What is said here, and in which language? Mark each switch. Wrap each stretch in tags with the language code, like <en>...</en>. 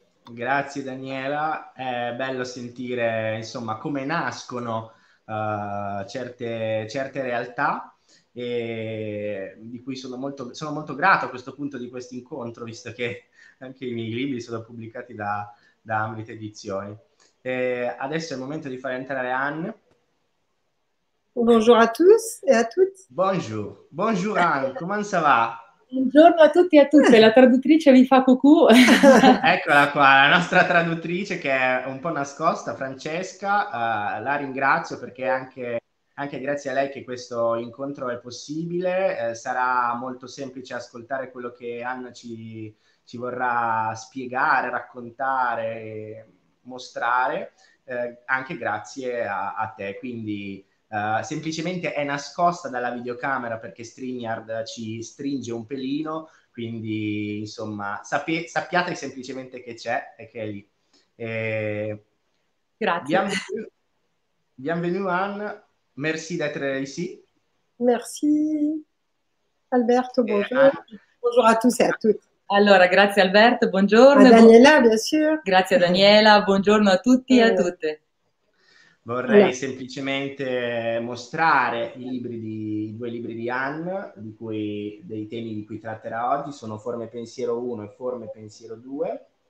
<it>Grazie Daniela, è bello sentire insomma come nascono certe realtà e di cui sono molto grato a questo punto di questo incontro, visto che anche i miei libri sono pubblicati da Amrita Edizioni. E adesso è il momento di far entrare Anne.</it> <fr>Bonjour à tous et à toutes. Bonjour, bonjour Anne, comment ça va?</fr> <it>Buongiorno a tutti e a tutte, la traduttrice vi fa cucù. Eccola qua, la nostra traduttrice che è un po' nascosta, Francesca, la ringrazio perché anche grazie a lei che questo incontro è possibile, sarà molto semplice ascoltare quello che Anna ci vorrà spiegare, raccontare, mostrare, anche grazie a te. Quindi semplicemente è nascosta dalla videocamera perché StreamYard ci stringe un pelino, quindi insomma sappiate semplicemente che c'è e che è lì. Grazie.</it> <fr>Bienvenue Anne, merci d'être ici. Merci Alberto, bonjour. Bonjour a tous et à toutes.</fr> <it>Allora, grazie Alberto, buongiorno.</it> <fr>A Daniela, bien sûr.</fr> <it>Grazie a Daniela, buongiorno a tutti e a tutte. Vorrei semplicemente mostrare i due libri di Anne, dei temi di cui tratterà oggi, sono Forme Pensiero 1 e Forme Pensiero 2.</it>